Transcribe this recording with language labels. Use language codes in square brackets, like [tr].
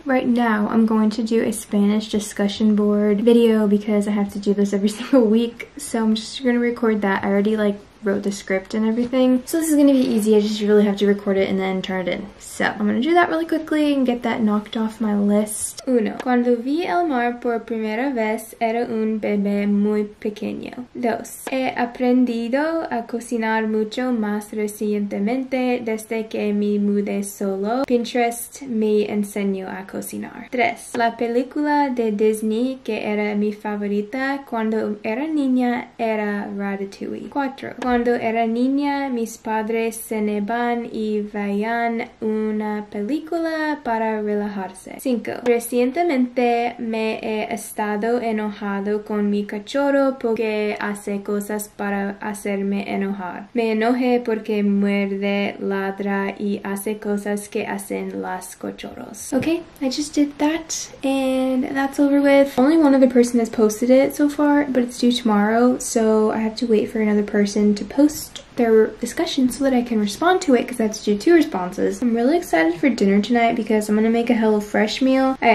[en] Right now, I'm going to do a Spanish discussion board video because I have to do this every single week. So I'm just gonna record that. I already like wrote the script and everything. So this is gonna be easy. I just really have to record it and then turn it in. So I'm gonna do that really quickly and get that knocked off my list. [es] Uno. Cuando vi el mar por primera vez, era un bebé muy pequeño. Dos. He aprendido a cocinar mucho más recientemente desde que me mudé solo. Pinterest me enseñó a cocinar. Tres. La película de Disney que era mi favorita cuando era niña era Ratatouille. Cuatro. Cuando era niña, mis padres cenaban y veían una película para relajarse. 5. Recientemente me he estado enojado con mi cachorro porque hace cosas para hacerme enojar. Me enojé porque muerde, ladra y hace cosas que hacen las cachorros. [en] Okay, I just did that and that's over with. Only one other person has posted it so far, but it's due tomorrow, so I have to wait for another person to post their discussion so that I can respond to it, because I have to do two responses. I'm really excited for dinner tonight because I'm gonna make a HelloFresh meal.